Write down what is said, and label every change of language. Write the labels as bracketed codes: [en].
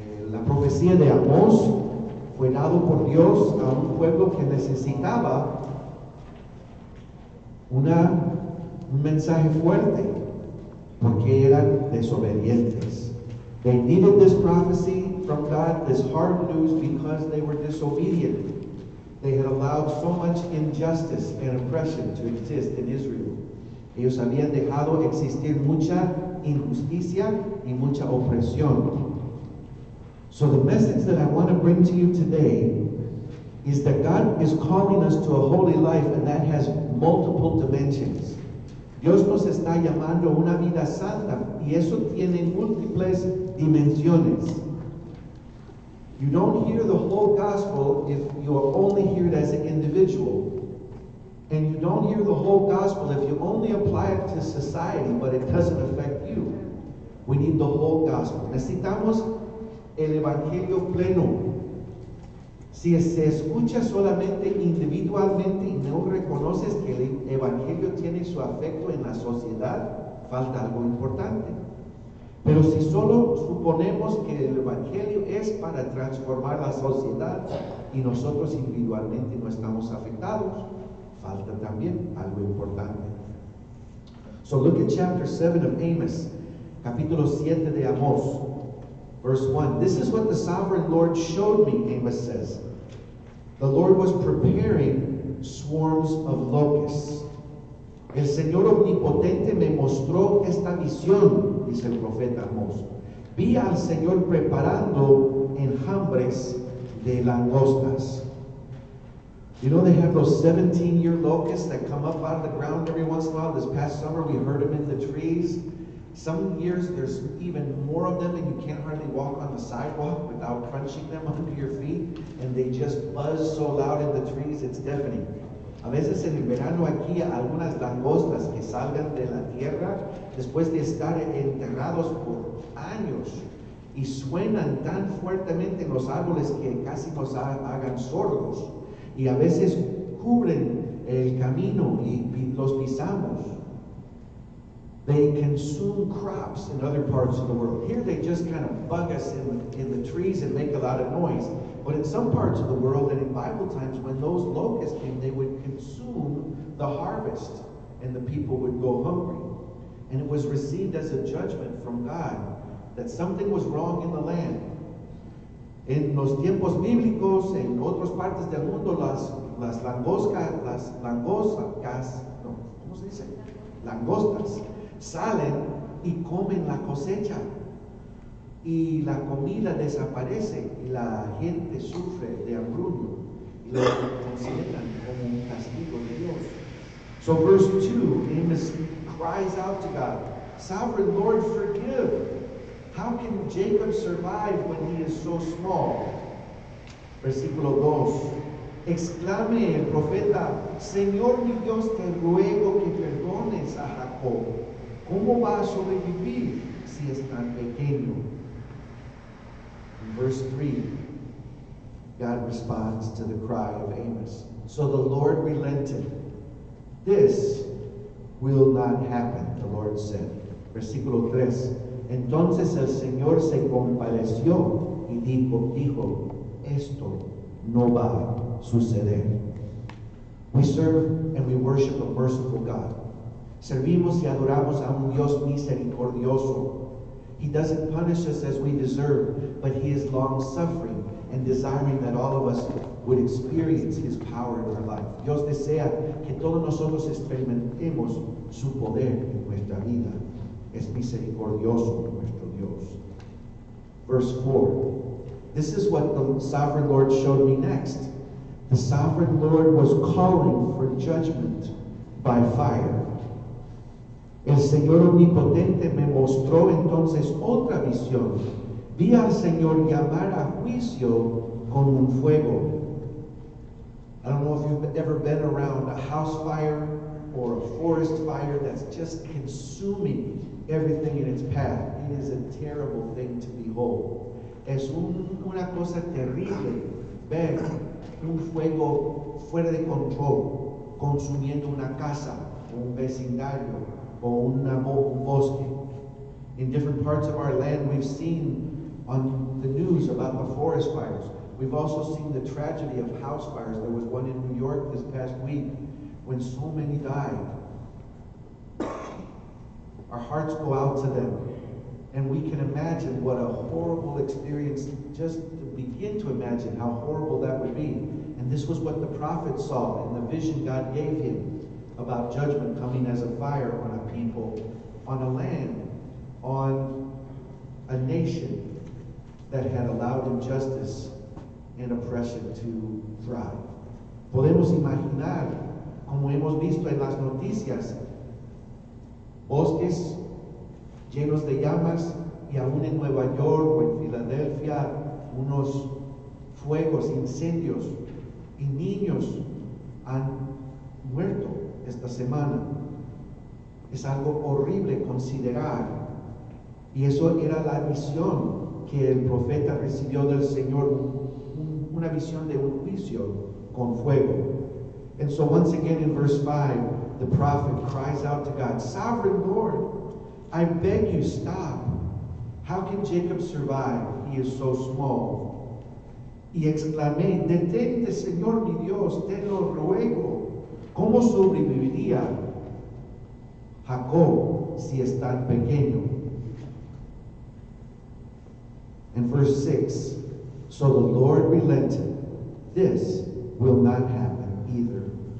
[es] La profecía de Amos fue dado por Dios a un pueblo que necesitaba un mensaje fuerte, porque eran desobedientes. [en] They needed this prophecy from God this hard news because they were disobedient. They had allowed so much injustice and oppression to exist in Israel. [es] Ellos habían dejado existir mucha injusticia y mucha opresión. [en] So the message that I want to bring to you today is that God is calling us to a holy life, and that has multiple dimensions. [es] Dios nos está llamando a una vida santa, y eso tiene múltiples dimensiones. [en] You don't hear the whole gospel if you only hear it as an individual. And you don't hear the whole gospel if you only apply it to society, but it doesn't affect you. We need the whole gospel. [es] Necesitamos el evangelio pleno. Si se escucha solamente individualmente y no reconoces que el evangelio tiene su efecto en la sociedad, falta algo importante. Pero si solo suponemos que el evangelio es para transformar la sociedad y nosotros individualmente no estamos afectados, falta también algo importante. [en] So look at chapter 7 of Amos, [es] capítulo 7 de Amos, [en] verse 1. This is what the sovereign Lord showed me, Amos says. The Lord was preparing swarms of locusts. [es] El Señor Omnipotente me mostró esta visión, dice el profeta Amos. Vi al Señor preparando enjambres de langostas. [en] You know they have those 17-year locusts that come up out of the ground every once in a while. This past summer we heard them in the trees. Some years there's even more of them, and you can't hardly walk on the sidewalk without crunching them under your feet, and they just buzz so loud in the trees, it's deafening. [es] A veces en el verano aquí algunas langostas que salgan de la tierra después de estar enterrados por años y suenan tan fuertemente en los árboles que casi nos hagan sordos, y a veces cubren el camino y los pisamos. [en] They consume crops in other parts of the world. Here they just kind of bug us in the trees and make a lot of noise. But in some parts of the world and in Bible times, when those locusts came, they would consume the harvest and the people would go hungry. And it was received as a judgment from God that something was wrong in the land. [es] En los tiempos bíblicos, en otras partes del mundo, las langostas, salen y comen la cosecha y la comida desaparece y la gente sufre de hambruño y lo consideran como un castigo de Dios. [en] So verse 2, Amos cries out to God, Sovereign Lord, forgive. How can Jacob survive when he is so small? [es] Versículo 2, exclame el profeta, Señor mi Dios, te ruego que perdones a Jacob. ¿Cómo va a sobrevivir si es tan pequeño? [en] In verse 3, God responds to the cry of Amos. So the Lord relented. This will not happen, the Lord said. [es] Versículo 3, entonces el Señor se compadeció y dijo, esto no va a suceder. [en] We serve and we worship a merciful God. [es] Servimos y adoramos a un Dios misericordioso. [en] He doesn't punish us as we deserve, but he is long-suffering and desiring that all of us would experience his power in our life. [es] Dios desea que todos nosotros experimentemos su poder en nuestra vida. Es misericordioso nuestro Dios. [en] Verse 4. This is what the Sovereign Lord showed me next. The Sovereign Lord was calling for judgment by fire. [es] El Señor Omnipotente me mostró entonces otra visión. Vi al Señor llamar a juicio con un fuego. [en] I don't know if you've ever been around a house fire or a forest fire that's just consuming everything in its path. It is a terrible thing to behold. [es] Es una cosa terrible ver un fuego fuera de control consumiendo una casa o un vecindario. [en] In different parts of our land, we've seen on the news about the forest fires. We've also seen the tragedy of house fires. There was one in New York this past week when so many died. Our hearts go out to them, And we can imagine what a horrible experience, just to begin to imagine how horrible that would be. And this was what the prophet saw in the vision God gave him about judgment coming as a fire on a people, on a land, on a nation that had allowed injustice and oppression to thrive. [es] Podemos imaginar, como hemos visto en las noticias, bosques llenos de llamas, y aún en Nueva York o en Filadelfia, unos fuegos, incendios, y niños han muerto esta semana. Es algo horrible considerar. Y eso era la visión que el profeta recibió del Señor, una visión de un juicio con fuego. [en] And so once again in verse 5, the prophet cries out to God, "Sovereign Lord, I beg you, stop. How can Jacob survive? He is so small." [es] Y exclamé, "Detente, Señor mi Dios, te lo ruego. ¿Cómo sobreviviría Jacob si es tan pequeño?" [en] And verse 6, so the Lord relented, "This will not happen either."